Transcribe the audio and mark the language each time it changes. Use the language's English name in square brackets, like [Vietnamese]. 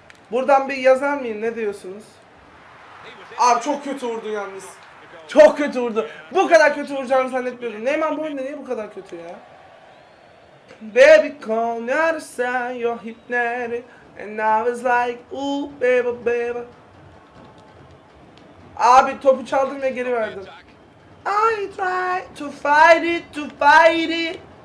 [Turkish] Buradan bir yazar mıyım? Ne diyorsunuz? Abi çok kötü vurdu yalnız. Çok kötü vurdu. Bu kadar kötü vuracağını zannetmiyorum. Neymar bu oyunda niye bu kadar kötü ya? [English] Baby call me out of sight, you're hypnotic. And I was like, ooh baby. [Turkish] Abi topu çaldım ve geri verdim. [English] I try to fight it, to fight it.